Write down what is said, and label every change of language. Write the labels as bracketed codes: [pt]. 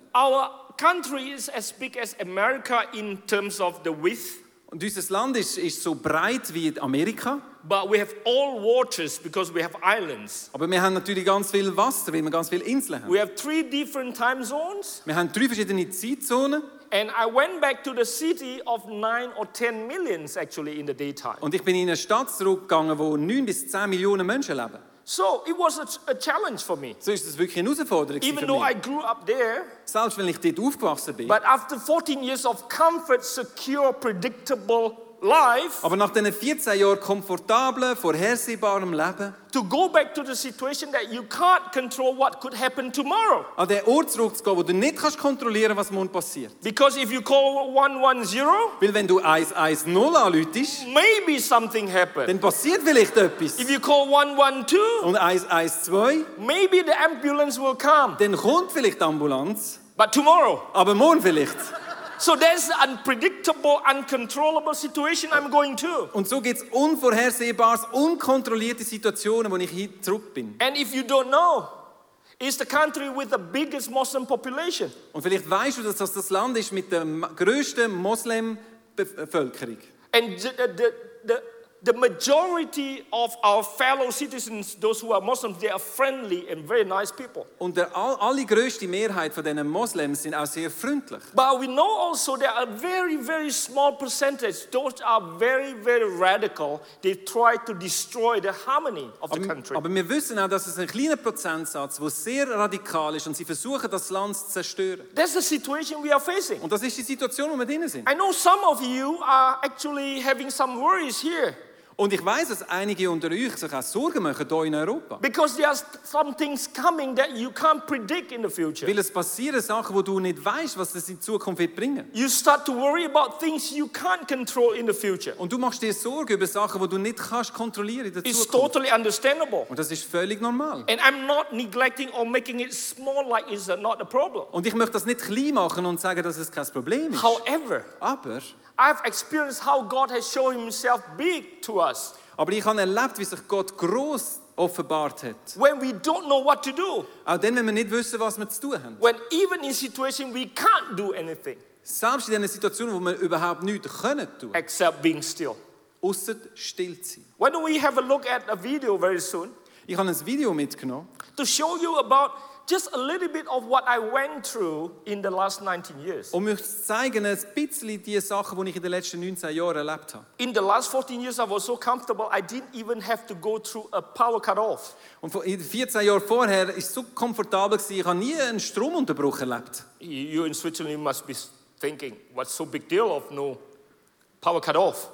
[en] Our country is as big as America in terms of the width. [de] Und dieses Land ist so breit wie Amerika. [en] But we have all waters because we have islands. [de] Aber wir haben natürlich ganz viel Wasser, weil wir ganz viele Inseln haben. [en] We have three different time zones. [de] Wir haben drei verschiedene Zeitzonen. [en] And I went back to the city of 9 or 10 millions actually in the daytime. [de] Und ich bin in eine Stadt zurückgegangen, wo 9 bis 10 Millionen Menschen leben. [en] So it was a challenge for me. [de] So ist es wirklich eine Herausforderung [en] Even though [de] mich. [en] I grew up there. [de] Selbst wenn ich dort aufgewachsen bin. [en] But after 14 years of comfort, secure, predictable life. [de] Aber nach diesen 14 Jahren komfortablen, vorhersehbarem Leben. [en] To go back to the situation that you can't control what could happen tomorrow. [de] An den Ort zurückzugehen, wo du nicht kannst kontrollieren, was morgen passiert. [en] Because if you call 110, [de] weil wenn du 110 anrufst, [en] maybe something happened. [de] Dann passiert vielleicht etwas. [en] If you call 112, [de] und 112, [en] maybe the ambulance will come. [de] Dann kommt vielleicht die Ambulanz. [en] But tomorrow. [de] Aber morgen vielleicht. [en] So there's an unpredictable, uncontrollable situation I'm going to. [de] Und so gibt's unvorhersehbare, unkontrollierte Situationen, wo ich hier zurück bin. [en] And if you don't know, it's the country with the biggest Muslim population. [de] Und vielleicht weißt du, dass das Land ist mit der größten Muslimbevölkerung. [en] And the majority of our fellow citizens, those who are Muslims, they are friendly and very nice people. [de] Und der allergrößte Mehrheit von denen Muslims sind auch sehr freundlich. [en] But we know also there are very, very small percentage. Those are very, very radical. They try to destroy the harmony of the country. [de] Aber wir wissen auch, dass es ein kleiner Prozentsatz, wo sehr radikal ist und sie versuchen, das Land zu zerstören. [en] That's the situation we are facing. [de] Und das ist die Situation, wo wir drin sind. [en] I know some of you are actually having some worries here. [de] Und ich weiß, dass einige unter euch sich auch Sorgen machen hier in Europa. [en] Because there are some things coming that you can't predict in the future. [de] Weil es passieren Sachen, wo du nicht weißt, was das in Zukunft wird bringen. [en] You start to worry about things you can't control in the future. [de] Und du machst dir Sorgen über Sachen, wo du nicht kannst kontrollieren in der Zukunft. [en] It's totally understandable. [de] Und das ist völlig normal. [en] And I'm not neglecting or making it small like it's not a problem. [de] Und ich möchte das nicht klein machen und sagen, dass es kein Problem ist. [en] However. [de] Aber. [en] I've experienced how God has shown himself big to us. [de] Aber ich habe erlebt, wie sich Gott groß offenbart hat. [en] When we don't know what to do. [de] Auch dann, wenn wir nicht wissen, was wir zu tun haben. [en] When even in situations we can't do anything. [de] Selbst in einer Situation, wo wir überhaupt nichts können tun. [en] Except being still. [de] Außer still zu sein. [en] Why don't we have a look at a video very soon? [de] Ich habe ein Video mitgenommen. [en] To show you about just a little bit of what I went through in the last 19 years. [de] Um euch zeigen, ein bisschen die Sachen, die ich in den letzten 19 Jahren erlebt habe. [en] In the last 14 years, I was so comfortable, I didn't even have to go through a power cut-off. [de] Und in 14 Jahren vorher ist es so komfortabel gewesen, ich habe nie einen Stromunterbruch erlebt. [en] You in Switzerland must be thinking, what's so big deal of no power cut-off?